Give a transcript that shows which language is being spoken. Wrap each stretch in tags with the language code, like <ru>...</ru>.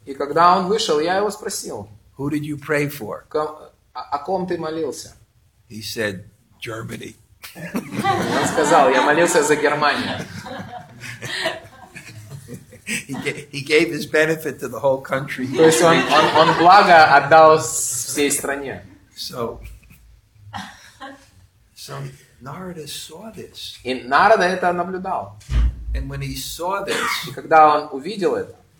<ru>И когда он вышел, я его спросил.</ru> <en>Who did you pray for?</en> <ru>О ком ты молился?</ru> <en>He said, Germany.</en> <ru>Он сказал, я молился за Германию.</ru> <en>He gave his benefit to the whole country.</en> <ru>То есть он благо отдал всей стране.</ru> <en>So Narada saw this.</en> <ru>И Нарада это наблюдал.</ru> <en>And when he saw this,</en> <ru>и когда он увидел это,</ru>